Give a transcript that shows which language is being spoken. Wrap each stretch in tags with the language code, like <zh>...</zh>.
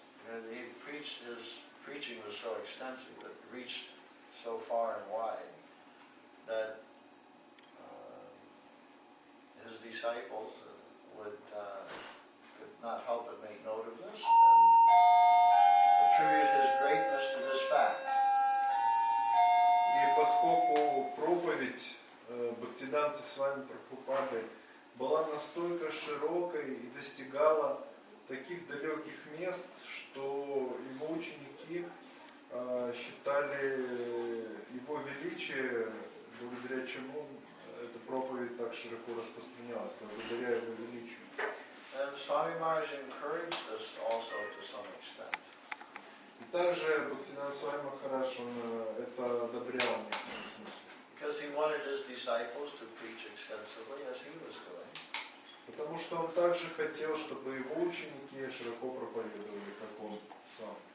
<en>And his preaching was so extensive, it reached so far and wide that his disciples could not help but make note of this and attribute his greatness to this fact.</en> <ru>И поскольку проповедь Бхактиданты с вами Прабхупады была настолько широкой и достигала таких далеких мест, что его ученики считали его величие, благодаря чему эта проповедь так широко распространялась, благодаря его величию.</ru> <en>And Swami Maharaj encouraged this also to some extent.</en> <ru>И также Бхактинанда Свами Махарадж, он это одобрял в некотором смысле.</ru> <en>Because he wanted his disciples to preach extensively as he was going.</en> <ru>Потому что он также хотел, чтобы его ученики широко проповедовали, как он сам.</ru>